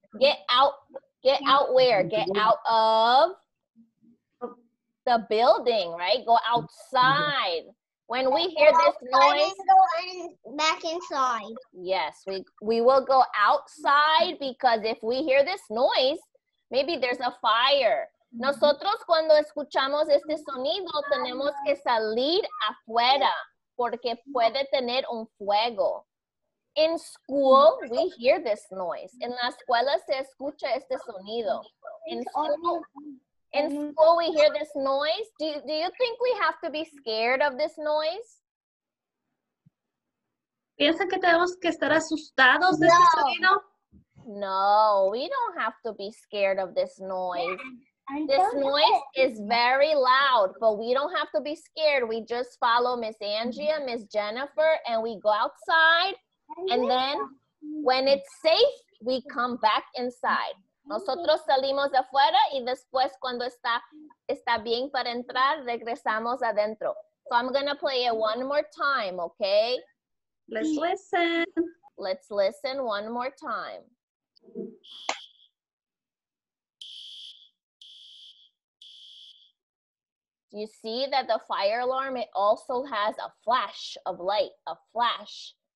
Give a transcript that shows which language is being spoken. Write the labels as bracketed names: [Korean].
[English] Get out. Get out where? Get out of the building, right? Go outside. When we hear this noise, go back inside. Yes, we will go outside because if we hear this noise, maybe there's a fire. [Spanish] Nosotros cuando escuchamos este sonido, tenemos que salir afuera porque puede tener un fuego. [English] In school, we hear this noise. [Spanish] En la escuela se escucha este sonido. [English] In school, we hear this noise. Do you think we have to be scared of this noise? [Spanish] ¿Piensa que tenemos que estar asustados de este sonido? [English] No, we don't have to be scared of this noise. This noise is very loud, but we don't have to be scared. We just follow Miss Angie, Miss Jennifer, and we go outside. And then when it's safe, we come back inside. [Spanish] Nosotros salimos afuera y después cuando está bien para entrar, regresamos adentro. [English] So I'm going to play it one more time, okay? Let's listen. Let's listen one more time. You see that the fire alarm, it also has a flash of light, a flash.